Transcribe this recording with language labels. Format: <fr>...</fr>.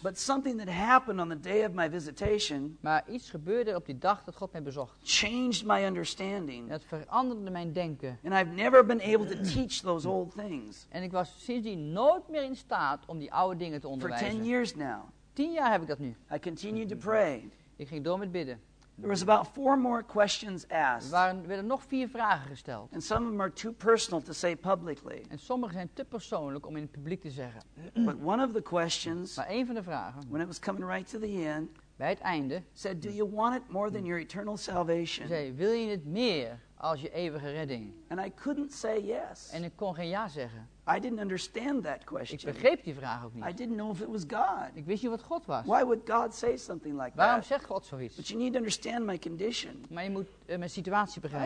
<en>But something that happened on the day of my visitation.</en> <nl>Maar iets gebeurde op die dag dat God mij bezocht.</nl> <en>Changed my understanding.</en> <nl>Dat veranderde mijn denken.</nl> <en>And I've never been able to teach those old things.</en> <nl>En ik was sindsdien nooit meer in staat om die oude dingen te onderwijzen.</nl> <en>For 10 years now.</en> <nl>10 jaar heb ik dat nu.</nl> <en>I continued to pray.</en> <nl>Ik ging door met bidden.</nl> <en>There was about 4 more questions asked.</en> <nl>Werden nog 4 vragen gesteld.</nl> <en>And some of them are too personal to say publicly.</en> <nl>En sommige zijn te persoonlijk om in het publiek te zeggen.</nl> <en>But one of the questions.</en> <nl>Maar één van de vragen.</nl> <en>When it was coming right to the end.</en> <nl>Bij het einde.</nl> <en>Said, do you want it more than your eternal salvation?</en> <nl>Zei, wil je het meer als je eeuwige redding?</nl> <en>And I couldn't say yes.</en> <nl>En ik kon geen ja zeggen.</nl> <en>I didn't understand that question.</en> <nl>Ik begreep die vraag ook niet.</nl> <en>I didn't know if it was God.</en> <nl>Ik wist niet wat God was.</nl> <en>Why would God say something like</en> <nl>Waarom</nl> <en>that?</en> <nl>Zegt God zoiets?</nl> <en>But you need to understand my condition.</en> <nl>Maar je moet mijn situatie begrijpen.</nl>